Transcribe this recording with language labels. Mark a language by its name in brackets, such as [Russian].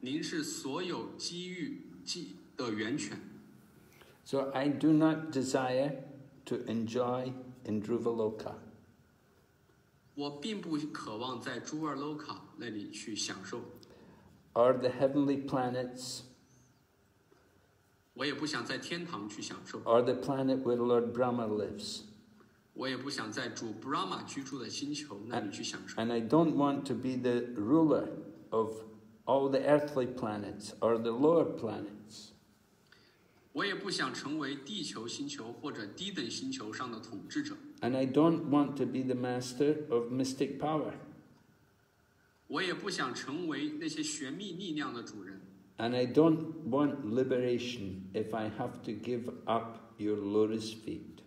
[Chinese] 我的主啊，您是所有机遇的源泉。 [English] So I do not desire to enjoy in Dhruvaloka. [Chinese] 我并不渴望在朱尔洛卡那里去享受。 [English] Or the heavenly planets. [Chinese] 我也不想在天堂去享受。 [English] Or the planet where Lord Brahma lives. [Chinese] 我也不想在主Brahma居住的星球那里去享受。 [English] And I don't want to be the ruler of all the earthly planets or the lower planets. [Chinese] 我也不想成为地球、星球或者低等星球上的统治者。 [English] And I don't want to be the master of mystic power. [Chinese] 我也不想成为那些玄秘力量的主人。 [English] And I don't want liberation if I have to give up your lotus feet.